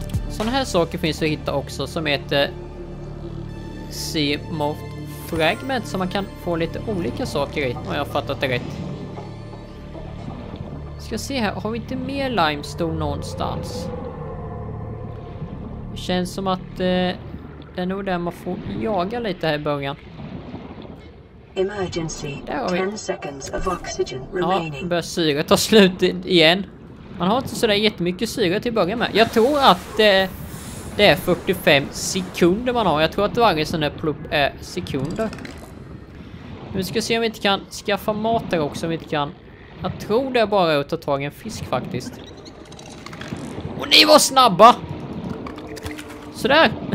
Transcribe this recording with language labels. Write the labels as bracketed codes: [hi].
[sv] Såna här saker finns att hitta också, som heter Sea Moth Fragment, som man kan få lite olika saker i, om jag har fattat det rätt. Ska se här, har vi inte mer limestone någonstans? Det känns som att det är nog där man får jaga lite här i början. [en] Emergency. [sv] Där har vi. [en] 10 seconds of oxygen remaining. [sv] Ja, börjar syre ta slut igen. Man har inte sådär jättemycket syre till att börja med. Jag tror att det är 45 sekunder man har. Jag tror att varje sån där plupp är sekunder. Nu ska se om vi inte kan skaffa mat där också. Om vi inte kan. Jag tror det är bara att ta tag i en fisk faktiskt. Och ni var snabba! Sådär!